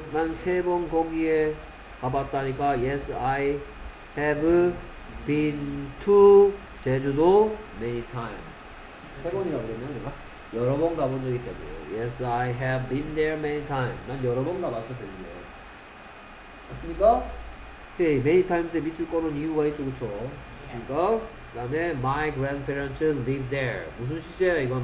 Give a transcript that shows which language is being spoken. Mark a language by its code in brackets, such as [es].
[ko] 난 세 번 거기에 가봤다니까. [en] Yes, I have been to 제주도 many times. [ko] 세 번이라고 그랬냐 내가? 여러 번 가본 적이 있다고. [en] Yes, I have been there many times. [ko] 난 여러 번 가봤어 제주도. 맞습니까? 오케이. Okay, many times에 밑줄 꺼놓은 이유가 있죠, 그쵸? 맞습니까? 그 다음에 [en] My grandparents live there. [ko] 무슨 시제야 이건?